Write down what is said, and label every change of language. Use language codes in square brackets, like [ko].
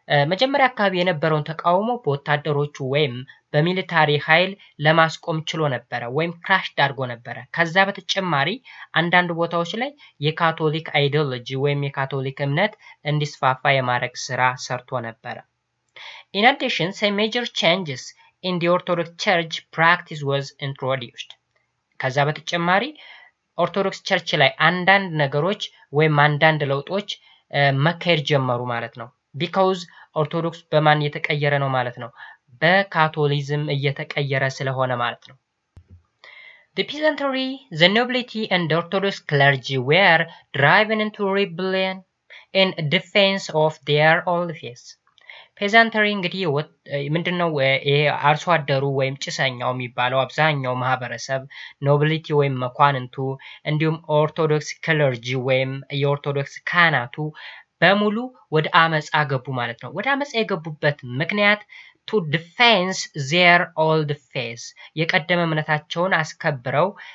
[am] መጀመሪያ አካባቢ የነበረውን ተቃውሞ በወታደሮቹ ወይም በሚሊታሪ ኃይል ለማስቆም ችሎ ነበረ ወይም ክራሽ ዳርጎ ነበረ። ከዛ በተጨማሪ አንዳንድ ቦታዎች ላይ የካቶሊክ አይዲዮሎጂ ወይም የካቶሊክ እምነት እንዲስፋፋ የማድረግ ስራ ሰርቶ ነበረ። [en] In addition, some major changes in the Orthodox Church practice was introduced. [am] ከዛ በተጨማሪ ኦርቶዶክስ ቸርች ላይ አንዳንድ ነገሮች ወይም አንዳንድ ለውጦች መካሄድ ጀመሩ ማለት ነው። Because Orthodox በማን እየተቀየረ ነው ማለት ነው? በካቶሊዝም እየተቀየረ ስለሆነ ማለት ነው። [en] The peasantry, the nobility and Orthodox clergy were driven into rebellion in defense of their office. [am] ፔዛንተሪ እንግዲህ ምንድነው አርሶ አደሩ ወይም ጭሰኛው የሚባለው አብዛኛው ማህበረሰብ ኖብሊቲ ወይም መኳንንቱ እንዲሁም ኦርቶዶክስ ክለርጂ ወይም የኦርቶዶክስ ካህናቱ በሙሉ ወደ አመጽ አገቡ ማለት ነው። ወደ አመጽ የገቡበት ምክንያት [en] to defense their old faith [am] የቀደመ እምነታቸውን አስከብረው